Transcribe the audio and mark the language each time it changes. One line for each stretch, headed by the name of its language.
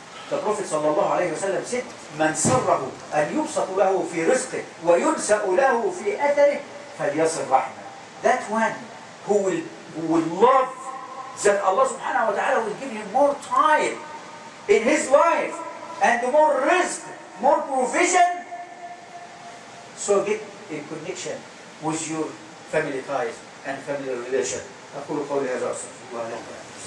English: The Prophet sallallahu alayhi wa sallam said,
Arabic: من سره أن يبسط له في رزقه وينسأ له في أثره فليصل رحمه.
English: That one who will love that Allah subhanahu wa ta'ala will give him more time in his life and more rizq, more provision. So get in connection with your family ties and family relation.
Arabic: أقول قولي هذا أصلاح الله أكبر.